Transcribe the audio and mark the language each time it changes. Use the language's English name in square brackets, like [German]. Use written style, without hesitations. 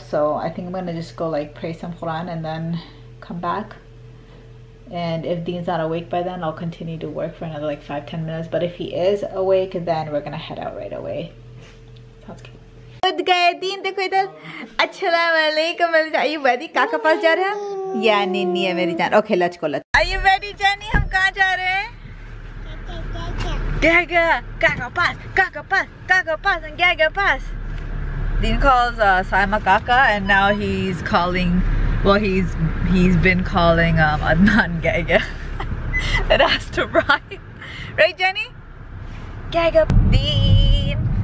[English] So I think I'm gonna just go like pray some Quran and then come back, and if Dean's not awake by then I'll continue to work for another like 5-10 minutes, but if he is awake then we're gonna head out right away. Sounds good. Good guy, Dean, the quitter. Assalamualaikum. Are you ready? [Urdu] کاکا پاس جا رہے؟ Yeah, Naini, میری جان. [English] Okay, let's go. Let's. Are you ready, Jenny? [Urdu] ہم کہاں جا رہے؟ گاگا, کاکا پاس, کاکا پاس, کاکا پاس, and گاگا pass. [English] Dean calls Saima kaka, and now he's calling. Well, he's been calling Adnan gaga. It has to rhyme, right, Jenny? [Urdu] گاگا, Dean.